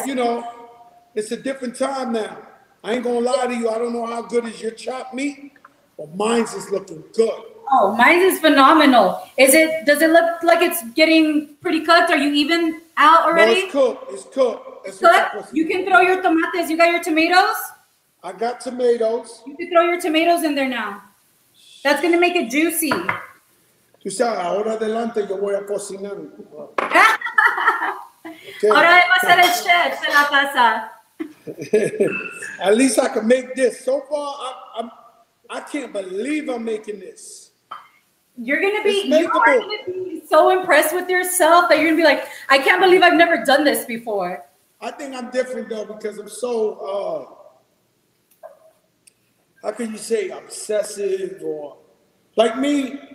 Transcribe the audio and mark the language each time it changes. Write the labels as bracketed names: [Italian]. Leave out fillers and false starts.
[English] So, you know, it's a different time now. I ain't gonna lie to you. I don't know how good is your chopped meat, but mine's is looking good. Oh, mine's is phenomenal. Does it look like it's getting pretty cooked? Are you even out already? No, It's cooked. It's cooked? You can throw your tomatoes. You got your tomatoes? I got tomatoes. You can throw your tomatoes in there now. That's gonna make it juicy. [Spanish] Tú sabes, ahora adelante yo voy a cocinar. [English] Okay. [Spanish] Ahora vamos a ser el chef de la casa. [English] At least I can make this. So far, I can't believe I'm making this. You're gonna be so impressed with yourself that you're gonna be like, I can't believe I've never done this before. I think I'm different though because I'm so how can you say obsessive or like me.